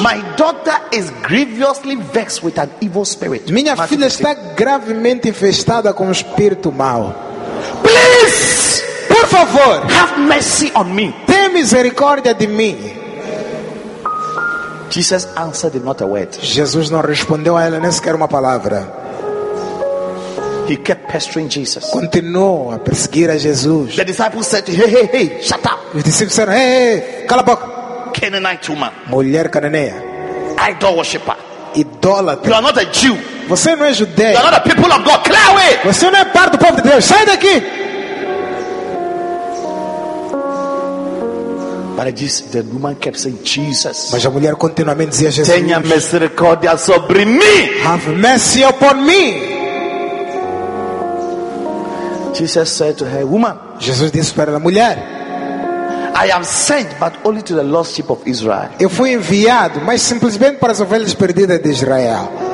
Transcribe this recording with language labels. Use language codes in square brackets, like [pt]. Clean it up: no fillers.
[en] My daughter is grievously vexed with an evil spirit. [pt] Minha filha está gravemente infestada com espírito mau. [en] Please, [pt] por favor, [en] have mercy on me. [pt] Tem misericórdia de mim. [en] Jesus answered him not a word. [pt] Jesus não respondeu a ela nem sequer uma palavra. [en] He kept pestering Jesus. [pt] Continuou a perseguir a Jesus. [en] The disciples said, hey, shut up. [pt] Os discípulos disseram, hey, cala a boca. [en] Canaanite woman. [pt] Mulher cananeia. [en] Idol worshiper. [pt] Idólatra. [en] You are not a Jew. [pt] Você não é judeu. [en] You are not a people of God. Clear away. [pt] Você não é parte do povo de Deus. Sai daqui. [en] But I just, the woman kept saying, Jesus, [pt] mas a mulher continuamente dizia, Jesus, tenha misericórdia sobre mim. [en] Have mercy upon me. Jesus said to her, woman, [pt] Jesus disse para a mulher, [en] I am sent, but only to the lost sheep of Israel. [pt] Eu fui enviado, mas simplesmente para as ovelhas perdidas de Israel.